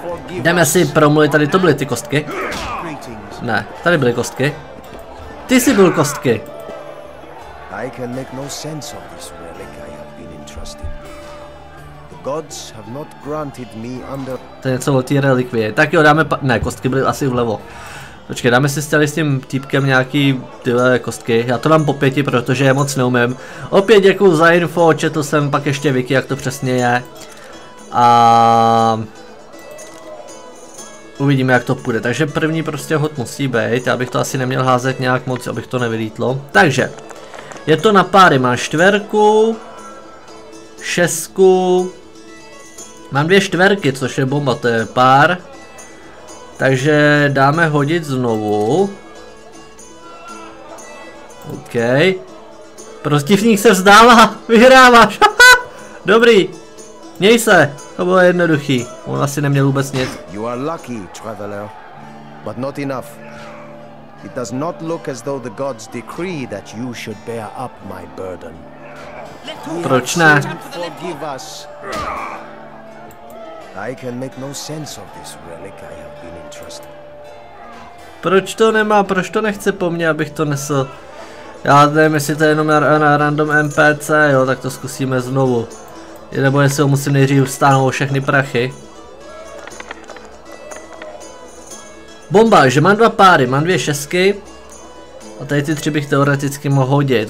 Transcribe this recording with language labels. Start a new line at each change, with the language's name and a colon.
Czech: Jdeme si promluvit, tady to byly ty kostky. Ne, tady byly kostky. Ty jsi byl kostky.
English: I can make no sense of this relic I have been entrusted. The gods have not granted me under.
Czech: To je něco o té relikvie. Tak jo, dáme ne, kostky byly asi vlevo. Počkej, dáme si stěli s tím týpkem nějaký tyhle kostky. Já to dám po pěti, protože je moc neumím. Opět děkuju za info, četl jsem pak ještě wiki, jak to přesně je. A uvidíme, jak to půjde. Takže první prostě hod musí být. Já bych to asi neměl házet nějak moc, abych to nevylítlo. Takže je to na páry, mám čtverku, šestku, mám dvě čtverky, což je bomba, to je pár. Takže dáme hodit znovu. OK. Protivník se vzdává, vyhráváš. Dobrý. Měj se, to bylo jednoduchý. On asi neměl vůbec nic.
English: You are lucky, traveler, but not enough. It does not look as though the gods decree that you should bear up my burden.
Czech: Proč ne?
English: Forgive us. I can make no sense of this relic I have been entrusted.
Czech: Proč to nemá? Proč to nechce po mně, abych to nesl? Já nevím, jestli to je jenom na random NPC, jo, tak to zkusíme znovu. Nebo jestli ho musím nejdřív stáhnout všechny prachy. Bomba, že mám dva páry, mám dvě šestky. A tady ty tři bych teoreticky mohl hodit.